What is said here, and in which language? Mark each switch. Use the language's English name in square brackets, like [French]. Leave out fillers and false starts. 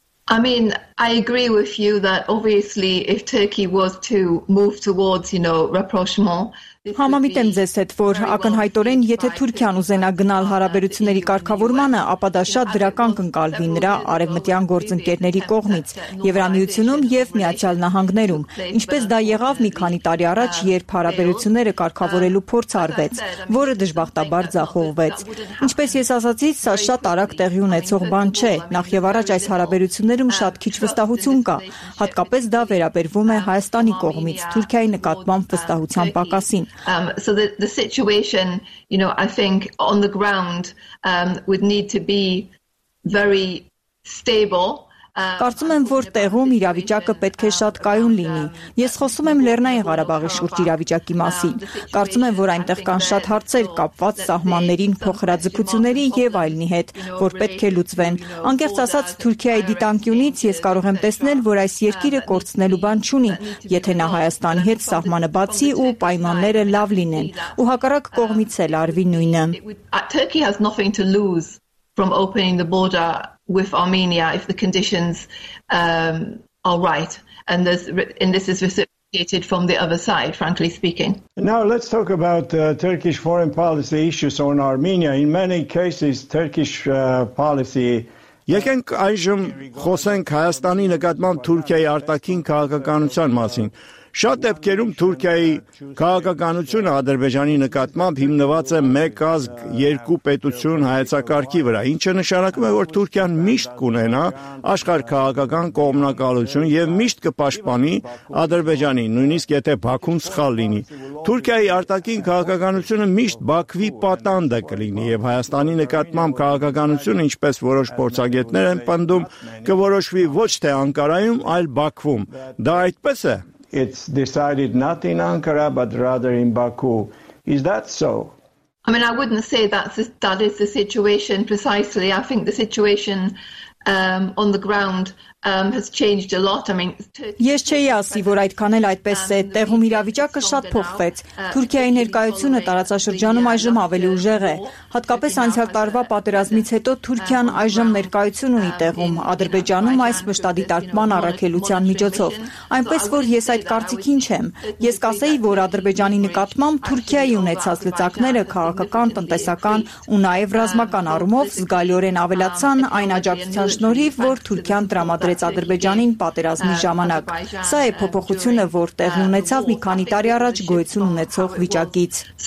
[English] I mean, I agree with you that obviously if Turkey was to move towards, you know, rapprochement, [Armenian] Համամիտ եմ ձեզ հետ, որ ակնհայտորեն, եթե Թուրքիան ուզենա գնալ հարաբերությունների կարգավորմանը, ապա դա շատ դրական կընկալվի նրա արևմտյան գործընկերների կողմից, Եվրամիությունում եւ Միացյալ Նահանգներում, ինչպես դա եղավ մի քանի տարի առաջ, երբ հարաբերությունները կարգավորելու փորձ արվեց, որը դժբախտաբար ձախողվեց։ Ինչպես ես ասացի, սա շատ արագ տեղի ունեցող բան չէ, նախ եւ առաջ այս հարաբերություններում շատ քիչ վստահություն կա, հատկապես դա վերաբերվում է Հայաստանի կողմից Թուրքիայի նկատմամբ վստահության պակասին։ [English] So the situation, you know, I think on the ground would need to be very stable. [Armenian] Կարծում եմ, որ տեղում իրավիճակը պետք է շատ կայուն լինի։ Ես խոսում եմ Լեռնային Ղարաբաղի շուրջ իրավիճակի մասին։ Կարծում եմ, որ այնտեղ կան շատ հարցեր կապված սահմաններին, փոխհրաձգությունների եւ այլնի հետ, որ պետք է լուծվեն։ Անկեղծ ասած, Թուրքիայի դիտանկյունից ես կարող եմ տեսնել, որ այս երկիրը կորցնելու բան չունի, եթե նա Հայաստանի հետ սահմանը բացի ու պայմանները լավ լինեն, ու հակառակ կողմից էլ արվի նույնը։ [English] Turkey has nothing to lose from opening the border with Armenia if the conditions are right, and this is reciprocated from the other side, frankly speaking. Now let's talk about Turkish foreign policy issues on Armenia. In many cases, Turkish policy [Armenian] Եկենք այժմ խոսենք Հայաստանի նկատմամբ Թուրքիայի արտաքին քաղաքականության մասին։ Շատ դեպքերում Թուրքիայի քաղաքականությունը Ադրբեջանի նկատմամբ հիմնված է մեկ ազգ, երկու պետություն հայեցակարգի վրա, ինչը նշանակում է, որ Թուրքիան միշտ կունենա աշխարհ քաղաքական կողմնակալություն եւ միշտ կպաշտպանի Ադրբեջանի, նույնիսկ եթե Բաքուն սխալ լինի։ Թուրքիայի արտաքին քաղաքականությունը միշտ Բաքվի պատանդը կլինի եւ Հայաստանի նկատմամբ քաղաքականությունը, ինչպես որոշ փորձագետներ են պնդում, կորոշվի ոչ թե Անկարայում, այլ Բաքվում։ Դա այդպես է։ [English] It's decided not in Ankara, but rather in Baku. Is that so? I mean, I wouldn't say that is the situation precisely. I think the situation on the ground has changed a lot. I mean, [Armenian] Ես չէի ասի, որ այդքան էլ այդպես է, տեղում իրավիճակը շատ փոխվեց։ Թուրքիայի ներկայությունը տարածաշրջանում այժմ ավելի ուժեղ է։ Հատկապես անցյալ տարվա պատերազմից հետո Թուրքիան այժմ ներկայություն ունի տեղում Ադրբեջանում այս մշտադիտարկման առաքելության միջոցով։ Այնպես որ ես այդ կարծիքին չեմ։ Ես կասեի, որ Ադրբեջանի նկատմամբ Թուրքիայի ունեցած լծակները քաղաքական, տնտեսական ու նաև ռազմական առումով զգալիորեն ավելացան այն աջակցության շնորհիվ, որ Թուրքիան մատրեց Ադրբեջանին պատերազմի ժամանակ։ Սա է փոփոխությունը, որ տեղի ունեցավ մի քանի տարի առաջ գոյություն ունեցող վիճակից։